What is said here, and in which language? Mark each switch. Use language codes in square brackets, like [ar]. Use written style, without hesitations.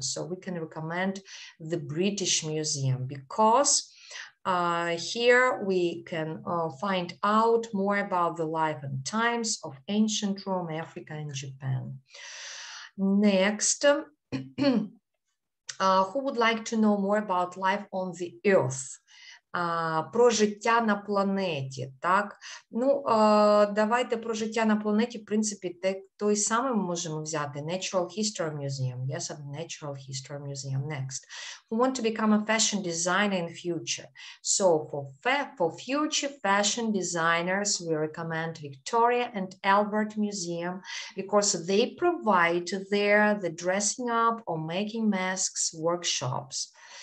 [en] So we can recommend the British Museum because here we can find out more about the life and times of ancient Rome, Africa, and Japan. Next. Who would like to know more about life on the earth? [uk] Про життя на планеті, так? Ну, давайте про життя на планеті, в принципі, той самий ми можемо взяти. [en] Natural History Museum. Yes, a Natural History Museum. Next. Who want to become a fashion designer in future? So, for future fashion designers, we recommend Victoria and Albert Museum because they provide there the dressing up or making masks workshops.